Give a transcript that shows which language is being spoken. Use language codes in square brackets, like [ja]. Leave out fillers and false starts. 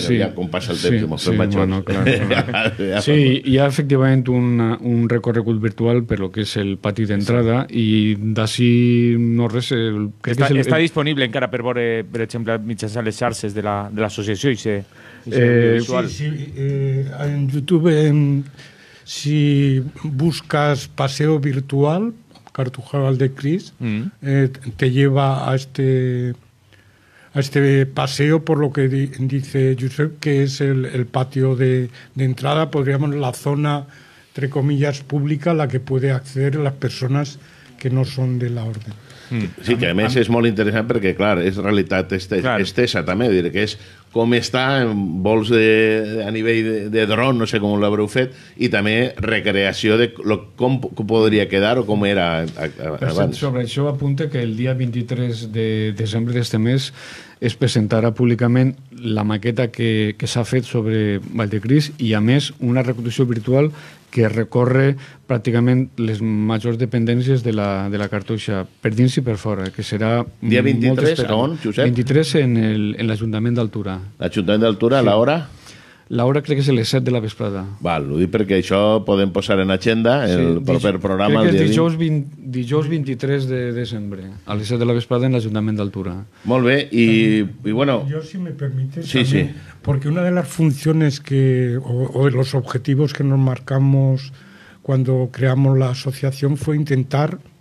[ca] Sí, ja com passa el temps, que m'ho fem això. Sí, hi ha efectivament un recorregut virtual per lo que és el pati d'entrada, i d'ací no res... Està disponible encara per veure, per exemple, mitjans a les xarxes de l'associació i ser visual. [es] Sí, en YouTube, si busques paseo virtual, Cartuja Valdecris, te lleva a este paseo, por lo que dice Josep, que es el patio de entrada, podríamos la zona, entre comillas, pública, la que puede acceder las personas que no son de la orden. [ca] Sí, que a més és molt interessant perquè, clar, és realitat estesa també, dir que és com està en vols a nivell de dron, no sé com l'haureu fet, i també recreació de com podria quedar o com era abans. Sobre això apunta que el dia 23 de desembre d'este mes es presentarà públicament la maqueta que s'ha fet sobre Valdecris, i a més una reconstrucció virtual que recorre pràcticament les majors dependències de la cartuixa, per dins i per fora, que serà... Dia 23, a on, Josep? 23 en l'Ajuntament d'Altura. L'Ajuntament d'Altura, sí. L'hora? L'hora crec que és a les 7 de la vesprada. Val, ho dic perquè això podem posar en agenda, el proper programa. Crec que és dijous 23 de desembre, a les 7 de la vesprada en l'Ajuntament d'Altura. Molt bé, i bueno... Jo, si me permites, sí, també, sí. [es] Porque una de las funciones que, o de los objetivos que nos marcamos cuando creamos la asociación, fue intentar